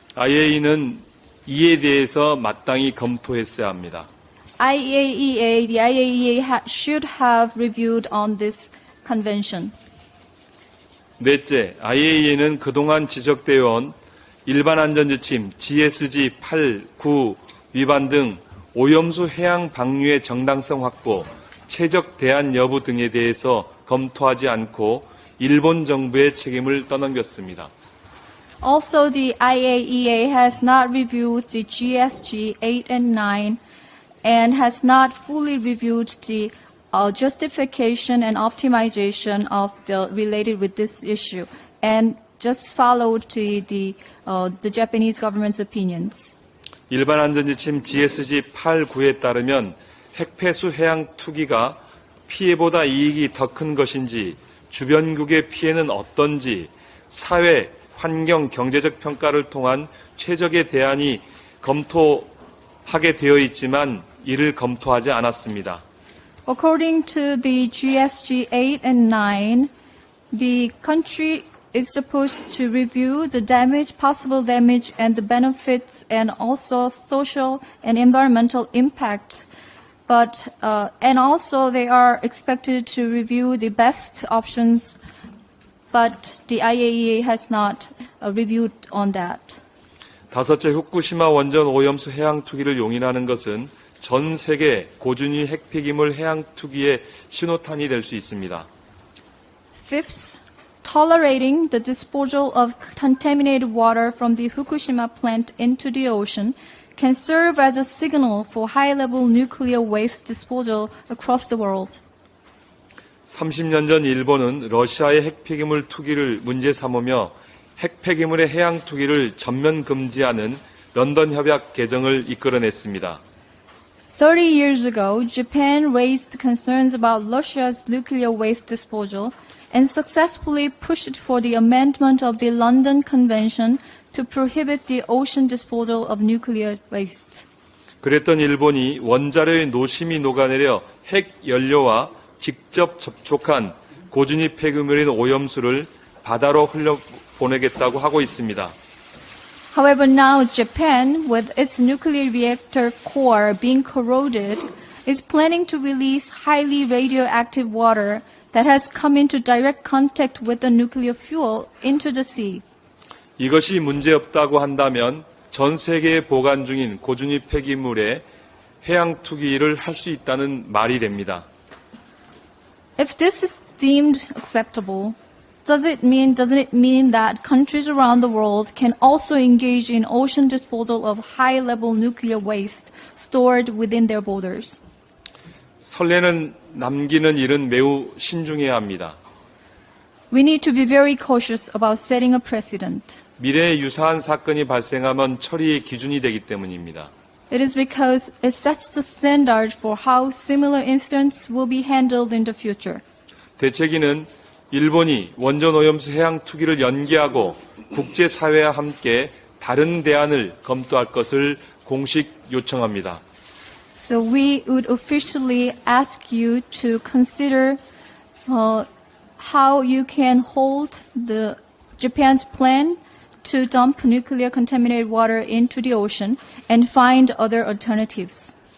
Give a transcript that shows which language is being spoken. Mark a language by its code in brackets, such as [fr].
[ko] IAEA는 이에 대해서 마땅히 검토했어야 합니다. [en] IAEA, the IAEA should have reviewed on this convention. [ko] 넷째, IAEA는 그동안 지적되어 온 일반 안전 지침 GSG 8, 9 위반 등 오염수 해양 방류의 정당성 확보, 최적 대안 여부 등에 대해서 검토하지 않고 일본 정부의 책임을 떠넘겼습니다. [en] Also, the IAEA has not reviewed the GSG 8 and 9 and has not fully reviewed the justification and optimization of the related with this issue and just followed the Japanese government's opinions. [ko] 일반 안전지침 GSG 8, 9에 따르면 핵폐수 해양 투기가 피해보다 이익이 더 큰 것인지, 주변국의 피해는 어떤지, 사회, 환경, 경제적 평가를 통한 최적의 대안이 검토하게 되어 있지만 이를 검토하지 않았습니다. [en] According to the GSG 8 and 9, the country is supposed to review the damage, possible damage, and the benefits, and also social and environmental impact. But and also they are expected to review the best options, but the IAEA has not reviewed on that. [ko] 다섯째, 후쿠시마 원전 오염수 해양 투기를 용인하는 것은 전 세계 고준위 핵폐기물 해양 투기의 신호탄이 될 수 있습니다. [en] Fifth, tolerating the disposal of contaminated water from the Fukushima plant into the ocean can serve as a signal for high-level nuclear waste disposal across the world. [ko] 30년 전 일본은 러시아의 핵폐기물 투기를 문제 삼으며 핵폐기물의 해양 투기를 전면 금지하는 런던 협약 개정을 이끌어냈습니다. [en] 30 years ago, Japan raised concerns about Russia's nuclear waste disposal and successfully pushed for the amendment of the London Convention to prohibit the ocean disposal of nuclear waste. [ko] 그랬던 일본이 원자로의 노심이 녹아내려 핵 연료와 직접 접촉한 고준위 폐기물인 오염수를 바다로 흘려보내겠다고 하고 있습니다. [en] However, now Japan, with its nuclear reactor core being corroded, is planning to release highly radioactive water that has come into direct contact with the nuclear fuel into the sea. [ko] 이것이 문제 없다고 한다면 전 세계에 보관 중인 고준위 폐기물에 해양 투기를 할 수 있다는 말이 됩니다. [en] If this is deemed acceptable, doesn't it mean that countries around the world can also engage in ocean disposal of high-level nuclear waste stored within their borders? [ko] 선례는 남기는 일은 매우 신중해야 합니다. [en] We need to be very cautious about setting a precedent. [ko] 미래에 유사한 사건이 발생하면 처리의 기준이 되기 때문입니다. [en] It is because it sets the standard for how similar incidents will be handled in the future. [ko] 대책위는 일본이 원전 오염수 해양 투기를 연기하고 국제사회와 함께 다른 대안을 검토할 것을 공식 요청합니다. [en] So we would officially ask you to consider how you can hold the Japan's plan to dump nuclear contaminated water into the ocean and find other alternatives.